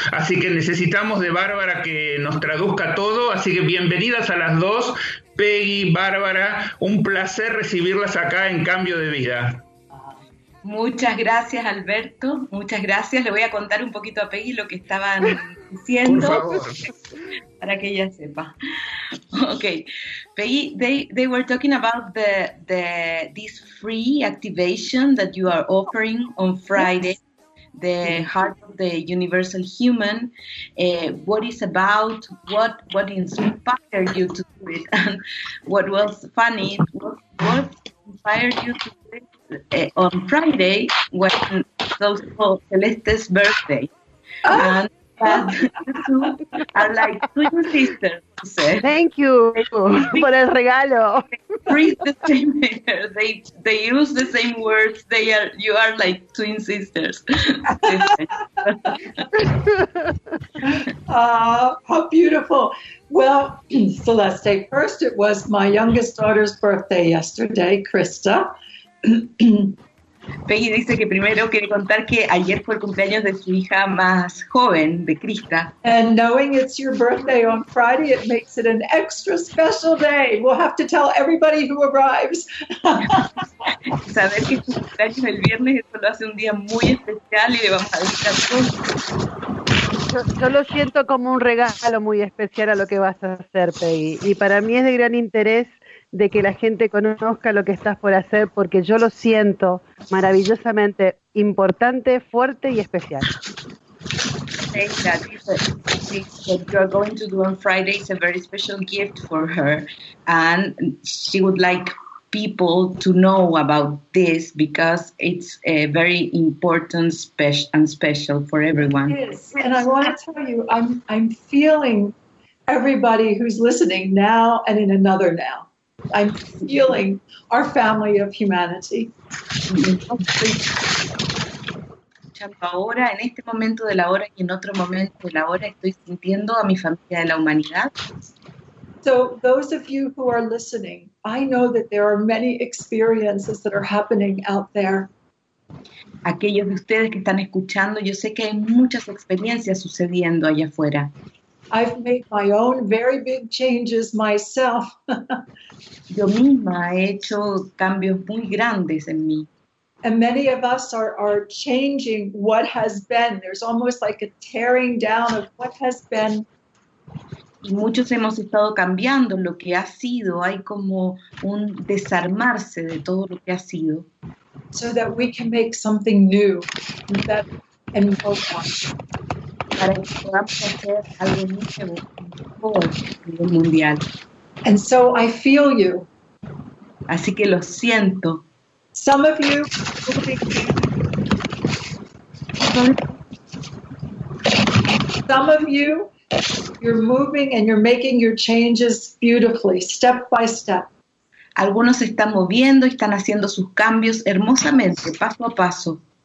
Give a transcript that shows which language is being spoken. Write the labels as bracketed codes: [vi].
[es] Así que necesitamos de Bárbara que nos traduzca todo. Así que bienvenidas a las dos. Peggy, Bárbara, un placer recibirlas acá en Cambio de Vida. Muchas gracias, Alberto, muchas gracias. Le voy a contar un poquito a Peggy lo que estaban diciendo. Por favor. Para que ella sepa. Okay. [en] Peggy, they were talking about this free activation that you are offering on Friday, the heart of the universal human. What is about, what inspired you to do it, and what was funny, what inspired you to do it on Friday when those called Celeste's birthday. And you are like twin sisters. Thank you for [es] el regalo. [en] They use the same words. You are like twin sisters. How beautiful. Well, Celeste, first it was my youngest daughter's birthday yesterday, Krista. [es] Peggy dice que primero quiere contar que ayer fue el cumpleaños de su hija más joven, de Krista. [en] And knowing it's your birthday on Friday, it makes it an extra special day. We'll have to tell everybody who arrives. [es] Saber que es su cumpleaños el viernes, eso lo hace un día muy especial y le vamos a decir a todos. Yo lo siento como un regalo muy especial a lo que vas a hacer, Peggy. Y para mí es de gran interés de que la gente conozca lo que estás por hacer, porque yo lo siento maravillosamente importante, fuerte y especial. [en] say that what you're going to do on Friday is a very special gift for her, and she would like people to know about this because it's a very important special for everyone. It is. And I want to tell you, I'm feeling everybody who's listening now and in another now. I'm feeling our family of humanity. [es] Ahora, en este momento de la hora y en otro momento de la hora, estoy sintiendo a mi familia de la humanidad. [en] So those of you who are listening, I know that there are many experiences that are happening out there. [es] Aquellos de ustedes que están escuchando, yo sé que hay muchas experiencias sucediendo allá afuera. [en] I've made my own very big changes myself. [es] Yo misma he hecho cambios muy grandes en mí. [en] And many of us are changing what has been. There's almost like a tearing down of what has been. [es] Y muchos hemos estado cambiando lo que ha sido. Hay como un desarmarse de todo lo que ha sido. [en] So that we can make something new. And hope on. [es] Para que podamos hacer algo nuevo mejor en el mundial. [en] And so I feel you. [es] Así que lo siento. [en] Some of you will be. Some of you, you're moving and you're making your changes beautifully, step by step. [es] Algunos están moviendo y están haciendo sus cambios hermosamente, paso a paso.